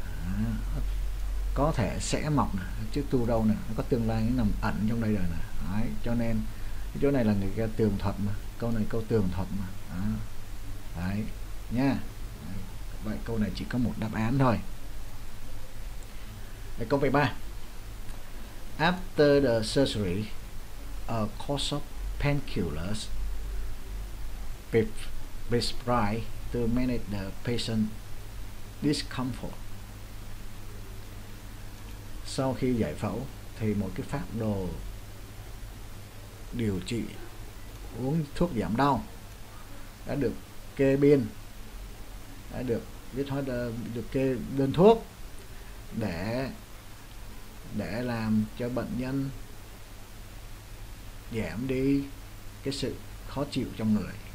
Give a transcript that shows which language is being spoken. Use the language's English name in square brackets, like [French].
[Vietnamese] À, có thể sẽ mọc này, chứ tu đâu này, nó có tương lai nó nằm ẩn trong đây rồi này. Đấy. Cho nên cái chỗ này là người ta tường thuật mà, câu này câu tường thuật mà. À, đấy nha. Vậy câu này chỉ có một đáp án thôi. Đây, câu 13. [English] After the surgery, a course of painkillers prescribed to manage the patient discomfort. [Vietnamese] Sau khi giải phẫu thì một cái phác đồ điều trị uống thuốc giảm đau đã được kê biên, đã được viết hóa đơn, được kê đơn thuốc để làm cho bệnh nhân giảm đi cái sự khó chịu trong người.